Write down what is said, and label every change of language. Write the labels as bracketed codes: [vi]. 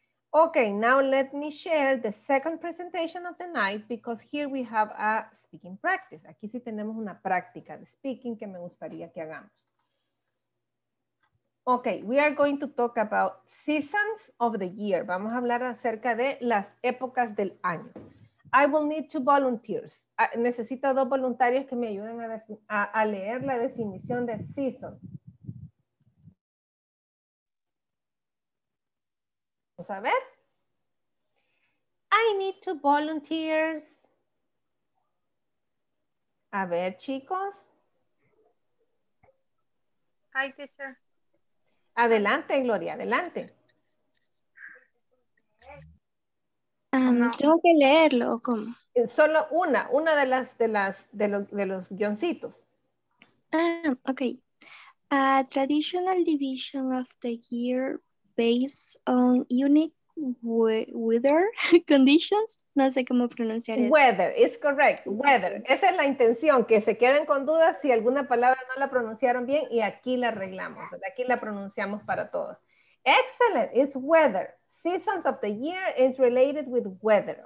[en] Okay, now let me share the second presentation of the night because here we have a speaking practice. [es] Aquí sí tenemos una práctica de speaking que me gustaría que hagamos. [en] Okay, we are going to talk about seasons of the year. [es] Vamos a hablar acerca de las épocas del año. [en] I will need two volunteers. [es] Necesito dos voluntarios que me ayuden a leer la definición de season. Vamos a ver. [en] I need two volunteers. [es] A ver, chicos. [en] Hi, teacher. [es] Adelante, Gloria, adelante. Tengo que leerlo, ¿cómo? Solo una de los guioncitos. [en] Ah, okay. A traditional division of the year based on unique weather conditions. [es] No sé cómo pronunciar eso. [en] Weather, it's correct. Weather. [es] Esa es la intención, que se queden con dudas si alguna palabra no la pronunciaron bien y aquí la arreglamos. Aquí la pronunciamos para todos. [en] Excellent, it's weather. Seasons of the year is related with weather.